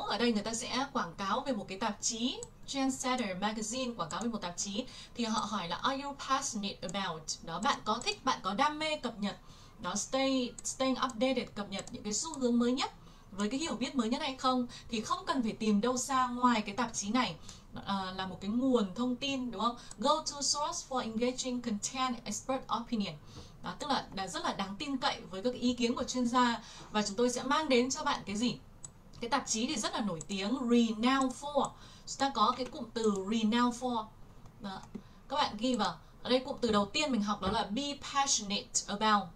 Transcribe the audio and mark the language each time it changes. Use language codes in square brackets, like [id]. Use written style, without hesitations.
[vi] Ở đây người ta sẽ quảng cáo về một cái tạp chí, Trendsetter Magazine, quảng cáo về một tạp chí. Thì họ hỏi là [en] are you passionate about? [vi] Đó, bạn có thích, bạn có đam mê cập nhật. Đó, [en] staying updated, [vi] cập nhật những cái xu hướng mới nhất với cái hiểu biết mới nhất hay không, thì không cần phải tìm đâu xa ngoài cái tạp chí này là một cái nguồn thông tin, đúng không? [en] Go to source for engaging content expert opinion. [vi] Đó, tức là rất là đáng tin cậy với các ý kiến của chuyên gia. Và chúng tôi sẽ mang đến cho bạn cái gì? Cái tạp chí thì rất là nổi tiếng, [en] renowned for. [vi] Chúng ta có cái cụm từ [en] renowned for. [vi] Đó, các bạn ghi vào. Ở đây cụm từ đầu tiên mình học đó là [en] be passionate about.